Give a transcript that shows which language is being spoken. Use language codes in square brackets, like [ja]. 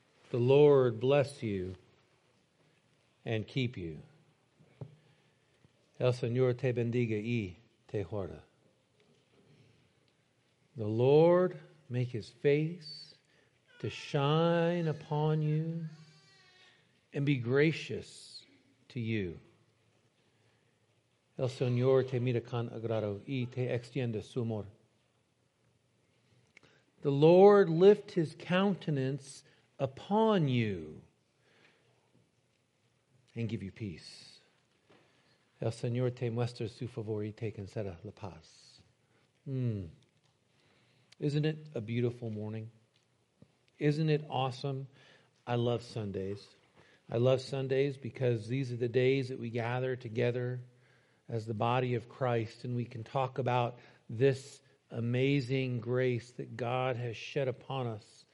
[en] The Lord bless you and keep you. [es] El Señor te bendiga y te guarda. [en] The Lord make his face to shine upon you and be gracious to you. [es] El Señor te mira con agrado y te extiende su amor. [en] The Lord lift his countenance upon you and give you peace. [es] El Señor te muestra su favor y te concede la paz. [en] Isn't it a beautiful morning? Isn't it awesome? I love Sundays. I love Sundays because these are the days that we gather together as the body of Christ, and we can talk about this amazing grace that God has shed upon us.